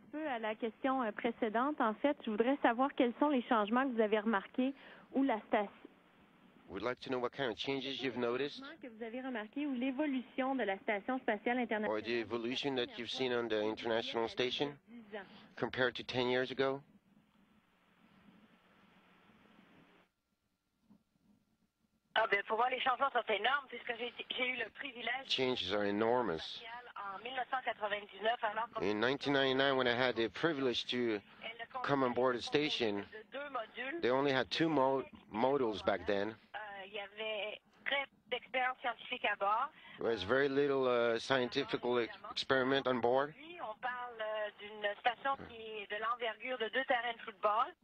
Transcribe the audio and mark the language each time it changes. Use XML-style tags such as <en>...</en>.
<fr>Un peu à la question précédente, en fait, je voudrais savoir quels sont les changements que vous avez remarqués ou la station.</fr> <en>We'd like to know what kind of changes you've noticed.</en> <fr>Que vous avez remarqué ou l'évolution de la station spatiale internationale.</fr> <en>Or the evolution that you've seen on the international station compared to 10 years ago.</en> <fr>Ah, bien, pour moi, les changements sont énormes puisque j'ai eu le privilège.</fr> <en>Changes are enormous.</en> <fr>En 1999, alors qu'on...</fr> <en>In 1999, when I had the privilege to come on board a station, they only had two modules back then.</en> <fr>Il y avait très peu d'expériences scientifiques à bord.</fr> <en>There was very little scientific experiment on board.</en> <fr>On parle d'une station qui est de l'envergure de deux terrains de football.</fr>